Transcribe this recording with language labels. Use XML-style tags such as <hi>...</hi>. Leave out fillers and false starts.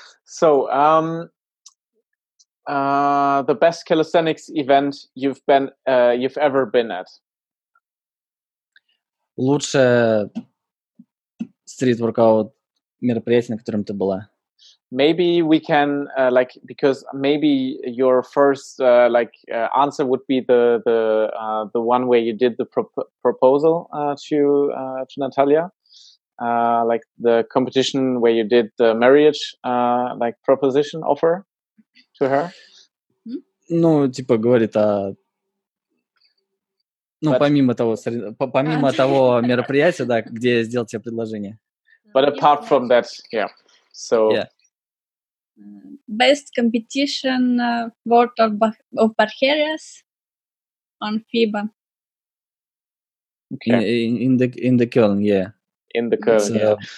<en>So, the best calisthenics event you've ever been at.</en> <ru>Лучшее стрит-воркаут мероприятие, на котором ты была?</ru> <en>Maybe we can like, because maybe your first answer would be the one where you did the proposal to Natalia, like the competition where you did the marriage like proposition offer to her.</en> <ru>Ну, типа говорит о Ну, помимо того мероприятия, да, где я сделал тебе предложение.</ru> <en>But apart from that, yeah. So yeah. Best competition world of Barjeras on FIBA. Okay. In the Köln, yeah. In the Köln, yeah.</en>